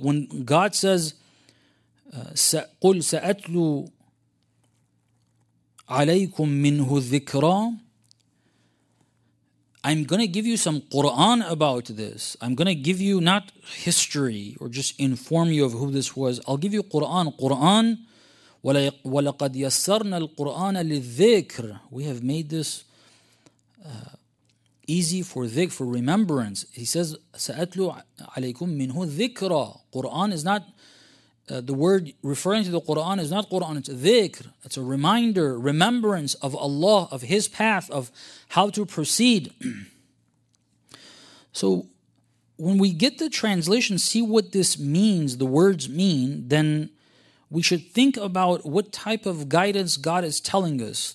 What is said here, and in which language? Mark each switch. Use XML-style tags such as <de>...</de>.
<en>When God says,</en> <ar>قُلْ سَأَتْلُوا عَلَيْكُمْ مِنْهُ ذِكْرًا,</ar> <en>I'm going to give you some Quran about this. I'm going to give you not history or just inform you of who this was. I'll give you Quran.</en> <ar>Quran, وَلَقَدْ يَسَّرْنَا الْقُرْآنَ لِلذِّكْرِ.</ar> <en>We have made this easy for dhikr, for remembrance. He says,</en> <ar>سَأَتْلُوا عَلَيْكُمْ مِنْهُ ذِكْرًا.</ar> <en>Quran is not, the word referring to the Quran is not Quran, it's dhikr. It's a reminder, remembrance of Allah, of His path, of how to proceed. So when we get the translation, see what this means, the words mean, then we should think about what type of guidance God is telling us.</en>